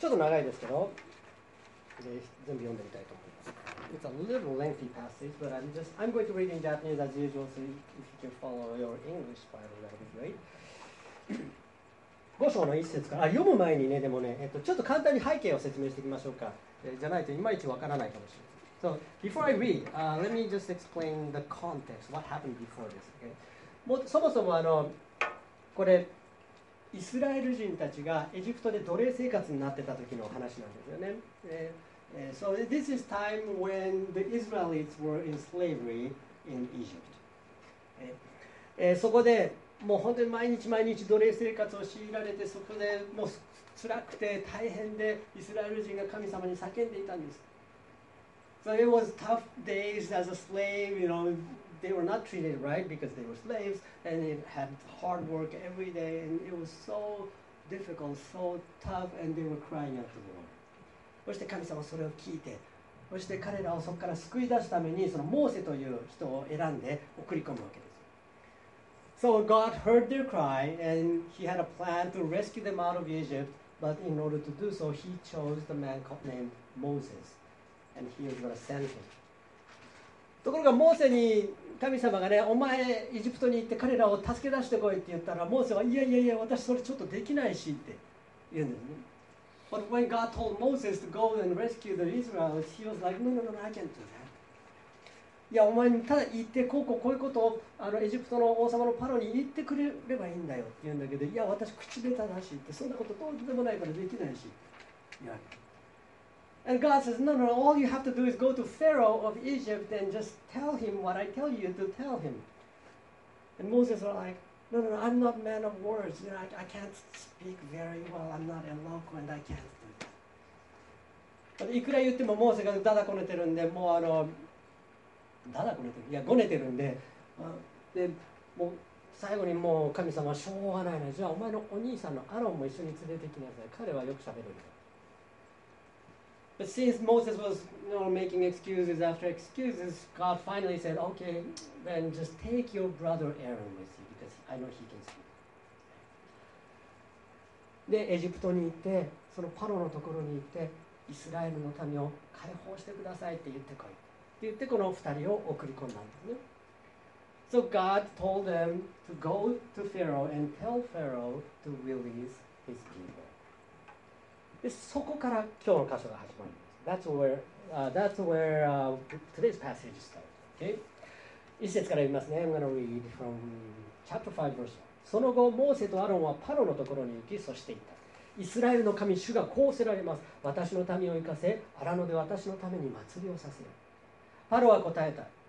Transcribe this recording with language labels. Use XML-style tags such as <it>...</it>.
<ja>ちょっと長いですけど、で全部読んでみたいと思います。</ja> <en>It's a little lengthy passage, but I'm going to read in Japanese as usual, so if you can follow your English Bible, that would be great.</en> <ja>5章の1節から、読む前にね、でもね、ちょっと簡単に背景を説明していきましょうか。じゃないといまいちわからないかもしれない。</ja> <en>So, before I read,、let me just explain the context, what happened before this, okay?</en> <ja>もそもそもこれ、イスラエル人たちがエジプトで奴隷生活になってた時の話なんですよね。</ja> <en>So this is time when the Israelites were in slavery in Egypt.</en> <ja>そこでもう本当に毎日毎日奴隷生活を強いられて、そこでもう辛くて大変で、イスラエル人が神様に叫んでいたんです。</ja> <en>So it was tough days as a slave, you know, they were not treated right because they were slaves, and they had hard work every day, and it was so difficult, so tough, and they were crying out to the Lord.</en> <ja>そして神様はそれを聞いて、そして彼らをそこから救い出すために、そのモーセという人を選んで送り込むわけです。</ja> <en>So God heard their cry, and he had a plan to rescue them out of Egypt, but in order to do so, he chose the man named Moses. And he was gonna send him.</en> <ja>ところがモーセに神様がね、お前エジプトに行って彼らを助け出してこいって言ったら、モーセはいやいやいや、私それちょっとできないしって言うんですね。</ja> <en>But when God told Moses to go and rescue the Israelites, he was like, no, no, no, I can't do that.</en> <ja>いや、お前ただ行ってこういうことをエジプトの王様のパロに言ってくれればいいんだよって言うんだけど、いや、私口下手だしって、そんなことどうでもないからできないし。</ja> <en>Yeah. And God says, no, no, no, all you have to do is go to Pharaoh of Egypt and just tell him what I tell you to tell him. And Moses was like, no, no, no, I'm not a man of words. You know, I can't speak very well. I'm not eloquent. I can't do that.</en> <ja>いくら言ってもモーセがダダこねてるんで、もうダダこねてる、いや、ごねてるんで、で、もう最後にもう神様はしょうがないな。じゃあお前のお兄さんのアロンも一緒に連れてきなさい。彼はよく喋るんだ。</ja> <en>But since Moses was, you know, making excuses after excuses, God finally said, okay, then just take your brother Aaron with you, because I know he can speak.</en> <ja>で、エジプトに行って、そのパロのところに行って、イスラエルの民を解放してくださいって言ってこい。って言って、この二人を送り込んだんですね。</ja> <en>So God told them to go to Pharaoh and tell Pharaoh to release his people.</en> <ja>でそこから今日の箇所が始まります。</ja> <en>That's where today's passage starts. Okay?</en> <ja>1節から読みますね。</ja> <en>I'm going to read from chapter 5 verse 1.</en> <ja>その後、モーセとアロンはパロのところに行き、そして言った。イスラエルの神、主がこうせられます。私の民を生かせ、アラノで私のために祭りをさせよ。パロは答えた。</ja>